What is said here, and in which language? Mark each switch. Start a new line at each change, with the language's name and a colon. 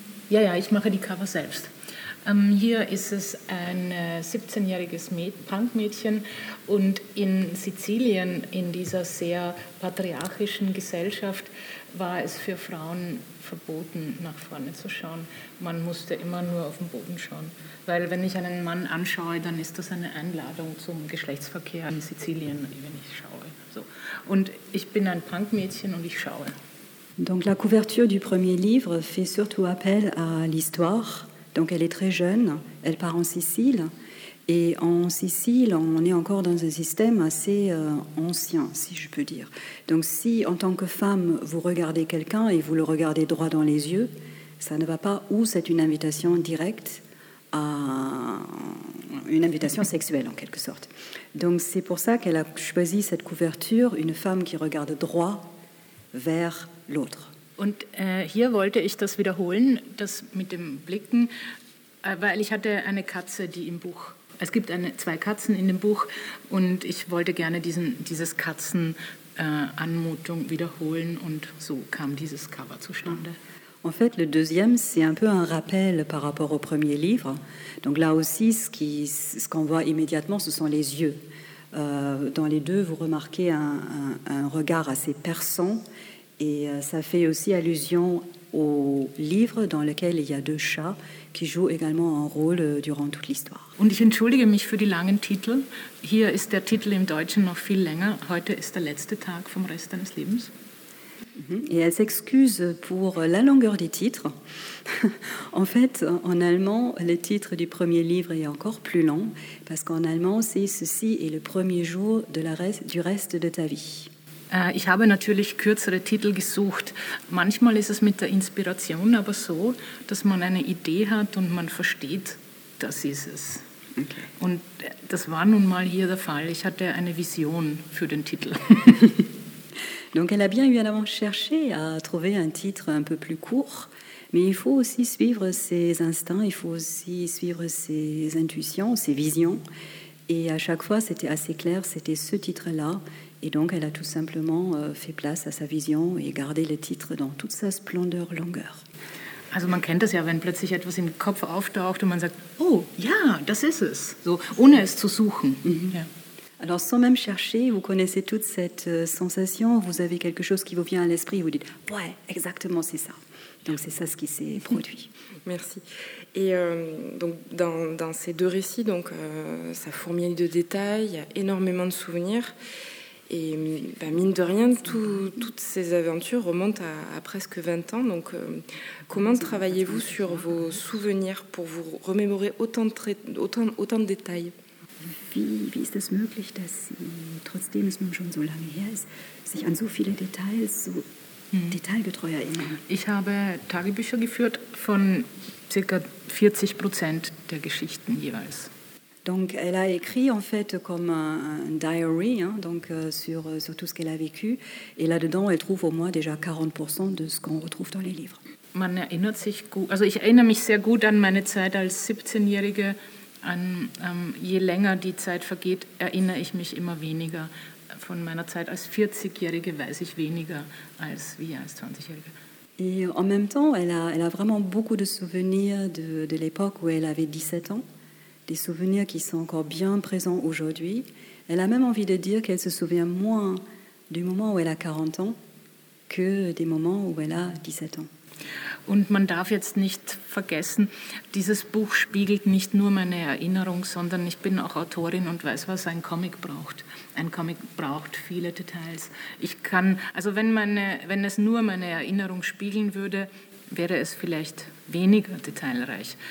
German: Ja, ja, ich mache die Cover selbst. Hier ist es ein 17-jähriges Punkmädchen und in Sizilien, in dieser sehr patriarchischen Gesellschaft, war es für Frauen verboten, nach vorne zu schauen. Man musste immer nur auf den Boden schauen. Weil wenn ich einen Mann anschaue, dann ist das eine Einladung zum Geschlechtsverkehr in Sizilien, wenn ich schaue. So. Und ich bin ein Punkmädchen und ich schaue.
French: Donc la couverture du premier livre fait surtout appel à l'histoire. Donc elle est très jeune, elle part en Sicile. Et en Sicile, on est encore dans un système assez ancien, si je peux dire. Donc si en tant que femme, vous regardez quelqu'un et vous le regardez droit dans les yeux, ça ne va pas, ou c'est une invitation directe à une invitation sexuelle, en quelque sorte. Donc, c'est pour ça qu'elle a choisi cette couverture, une femme qui regarde droit vers l'autre.
German: Und hier wollte ich das wiederholen, das mit dem Blicken, weil ich hatte eine Katze, die im Buch, es gibt eine, zwei Katzen in dem Buch, und ich wollte gerne diesen, dieses Katzen Anmutung wiederholen, und so kam dieses Cover zustande.
French: En fait, le deuxième, c'est un peu un rappel par rapport au premier livre. Donc là aussi, ce qu'on voit immédiatement, ce sont les yeux. Dans les deux, vous remarquez un regard assez perçant, et ça fait aussi allusion au livre dans lequel il y a deux chats qui jouent également un rôle durant toute l'histoire.
German: Und ich entschuldige mich für die langen Titel. Hier ist der Titel im Deutschen noch viel länger. Heute ist der letzte Tag vom Rest deines Lebens.
French: Et elle s'excuse pour la longueur des titres. En fait, en allemand, le titre du premier livre est encore plus long, parce qu'en allemand, c'est « Ceci est le premier jour de la du reste de ta vie ».
German: Ich habe natürlich kürzere Titel gesucht. Manchmal ist es mit der Inspiration aber so, dass man eine Idee hat und man versteht, das ist es. Okay. Und das war nun mal hier der Fall. Ich hatte eine Vision für den Titel.
French: Donc elle a bien évidemment cherché à trouver un titre un peu plus court, mais il faut aussi suivre ses instincts, il faut aussi suivre ses intuitions, ses visions. Et à chaque fois, c'était assez clair, c'était ce titre-là. Et donc elle a tout simplement fait place à sa vision et gardé le titre dans toute sa splendeur, longueur.
German: Also man kennt das ja, wenn plötzlich etwas im Kopf auftaucht und man sagt, oh ja, das ist es, so, ohne es zu suchen. Mm-hmm. Yeah.
French: Alors, sans même chercher, vous connaissez toute cette sensation, vous avez quelque chose qui vous vient à l'esprit, vous dites « Ouais, exactement, c'est ça ». Donc, c'est ça ce qui s'est produit. Merci. Et donc, dans ces deux récits, donc, ça fourmille de détails, énormément de souvenirs. Et bah, mine de rien, toutes ces aventures remontent à presque 20 ans. Donc, comment travaillez-vous sur vos souvenirs pour vous remémorer autant de détails?
German: Wie ist das möglich, dass Sie, trotzdem es nun schon so lange her ist, sich an so viele Details so detailgetreu erinnern? Ich habe Tagebücher geführt von ca. 40% der Geschichten jeweils.
French: Donc elle a écrit en fait comme un diary, hein, donc sur tout ce qu'elle a vécu, et là-dedans elle trouve au moins déjà 40% de ce qu'on retrouve dans les livres.
German: Man erinnert sich gut, also ich erinnere mich sehr gut an meine Zeit als 17-jährige. Je länger die Zeit vergeht, erinnere ich mich immer weniger von meiner Zeit als 40-Jährige, weiß ich weniger als wie als 20-Jährige.
French: Et en même temps, elle a vraiment beaucoup de souvenirs de l'époque où elle avait 17 ans, des souvenirs qui sont encore bien présents aujourd'hui. Elle a même envie de dire qu'elle se souvient moins du moment où elle a 40 ans que des moments où elle a 17 ans.
German: Und man darf jetzt nicht vergessen, dieses Buch spiegelt nicht nur meine Erinnerung, sondern ich bin auch Autorin und weiß, was ein Comic braucht. Ein Comic braucht viele Details. Ich kann, also wenn es nur meine Erinnerung spiegeln würde, wäre es vielleicht weniger detailreich.